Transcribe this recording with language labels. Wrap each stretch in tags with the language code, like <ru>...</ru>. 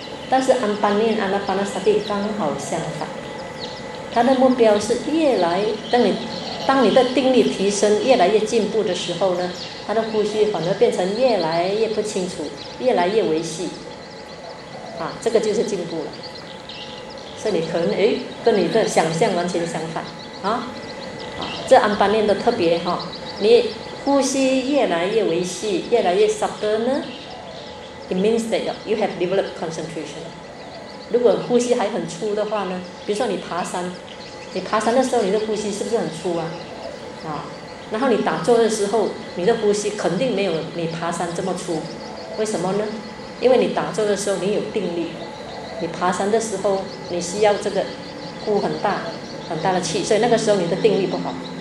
<zh>但是安般念、安那般那萨帝刚好相反，它的目标是越来当你的定力提升越来越进步的时候呢，它的呼吸反而变成越来越不清楚，越来越微细，啊，这个就是进步了。所以你可能哎，跟你的想象完全相反，啊，啊，这安般念的特别哈，你呼吸越来越微细，越来越 subtle 呢？</zh> <en>It means that you have developed concentration.</en> <zh>如果呼吸还很粗的话呢，比如说你爬山，你爬山的时候你的呼吸是不是很粗啊？啊，然后你打坐的时候，你的呼吸肯定没有你爬山这么粗。为什么呢？因为你打坐的时候你有定力，你爬山的时候你需要这个呼很大很大的气，所以那个时候你的定力不好。</zh>